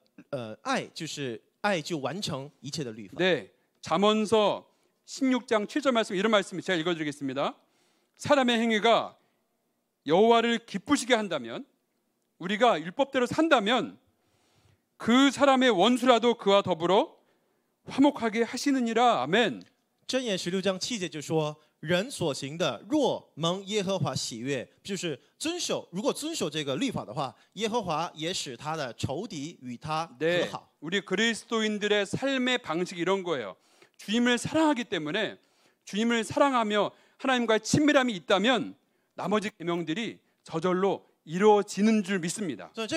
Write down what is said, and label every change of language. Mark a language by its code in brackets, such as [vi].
[zh] 然后我刚才说了，圣经就说了，爱就完成一切的律法。 [ko] 네, 잠언서 16장 7절 말씀 이런 말씀이 제가 읽어드리겠습니다. 사람의 행위가 여호와를 기쁘시게 한다면 우리가 율법대로 산다면 그 사람의 원수라도 그와 더불어 화목하게 하시느니라. 아멘. [zh] 箴言 [ko] 16장 7절 [zh] 就说 人所行的若蒙耶和华喜悦，就是遵守。如果遵守这个律法的话，耶和华也使他的仇敌与他和好。 [ko] 네, 우리 그리스도인들의 삶의 방식이 이런 거예요. 주님을 사랑하기 때문에 주님을 사랑하며 하나님과의 친밀함이 있다면 나머지 계명들이 저절로 이루어지는 줄 믿습니다.